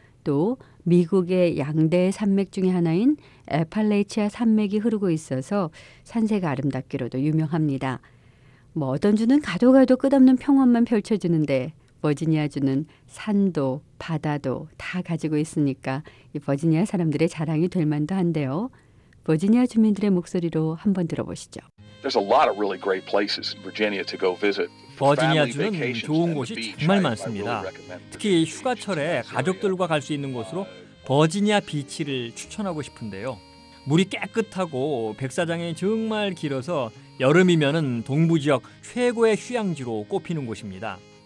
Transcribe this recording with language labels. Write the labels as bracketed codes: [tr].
[ko] 또 미국의 양대 산맥 중에 하나인 애팔레치아 산맥이 흐르고 있어서 산세가 아름답기로도 유명합니다. 뭐 어떤 주는 가도 가도 끝없는 평원만 펼쳐지는데 버지니아 주는 산도 바다도 다 가지고 있으니까 이 버지니아 사람들의 자랑이 될 만도 한데요. 버지니아 주민들의 목소리로 한번 들어보시죠. [en] There's a lot of really great places in Virginia to go visit. [ko] 버지니아주는 좋은 곳이 정말 많습니다. 특히 휴가철에 가족들과 갈 수 있는 곳으로 버지니아 비치를 추천하고 싶은데요. 물이 깨끗하고 백사장이 정말 길어서 여름이면은 동부 지역 최고의 휴양지로 꼽히는 곳입니다.